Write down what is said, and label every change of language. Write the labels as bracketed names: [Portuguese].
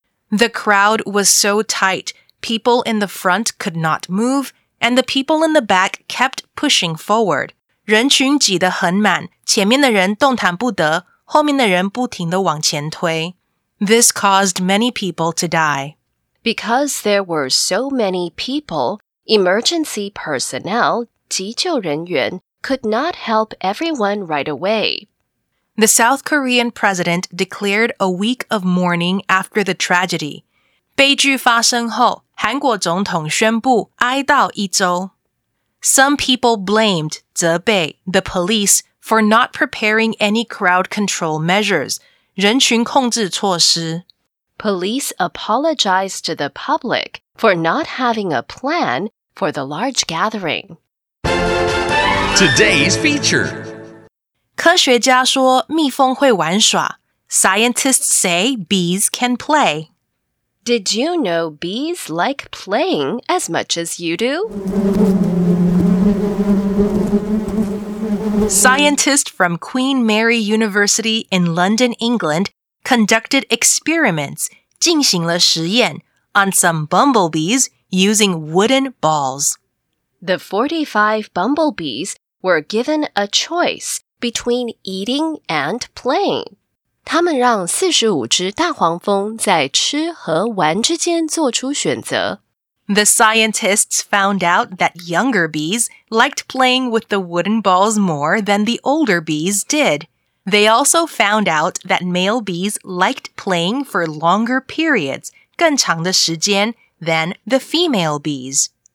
[English] The crowd was so tight,People in the front could not move, and the people in the back kept pushing forward. [Chinese] 人群挤得很满,前面的人动弹不得,后面的人不停地往前推。 [English] This caused many people to die. Because there were so many people, emergency personnel, [Chinese] 急救人员, [English] could not help everyone right away. The South Korean president declared a week of mourning after the tragedy. [Chinese] 悲剧发生后,韩国总统宣布哀悼一周。 [English] Some people blamed, [Chinese] 责备, [English] the police for not preparing any crowd control measures, [Chinese] 人群控制措施。 [English] Police apologized to the public for not having a plan for the large gathering. Today's feature. [Chinese] 科学家说蜜蜂会玩耍。 [English] Scientists say bees can play. Did you know bees like playing as much as you do? Scientists from Queen Mary University in London, England, conducted experiments, [Chinese] 进行了实验, [English] on some bumblebees using wooden balls. The 45 bumblebees were given a choice between eating and playing. [Chinese] 他们让45只大黄蜂在吃和玩之间做出选择。 [English] The scientists found out that younger bees liked playing with the wooden balls more than the older bees did. They also found out that male bees liked playing for longer periods, [Chinese] 更长的时间, [English] than the female bees.